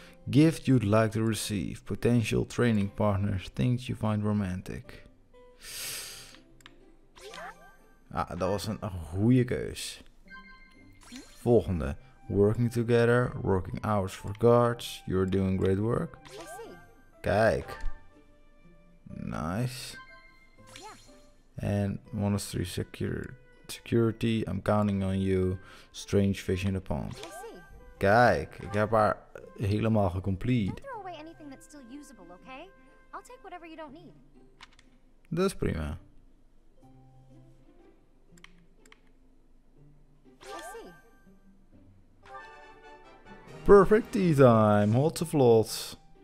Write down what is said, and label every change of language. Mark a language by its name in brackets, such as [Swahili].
[English] Gift you'd like to receive. Potential training partner. Things you find romantic. [Dutch] Ah, dat was een goede keus. Volgende. [English] Working together, working hours for guards, you're doing great work. Kijk. Nice. And monastery security, I'm counting on you. Strange fish in the pond. [Dutch] Kijk, ik heb haar helemaal gecomplete. [English] Don't throw away anything that's still usable, okay? I'll take whatever you don't need. [Dutch] Dat is prima. [English] Perfect tea time, hot of lots.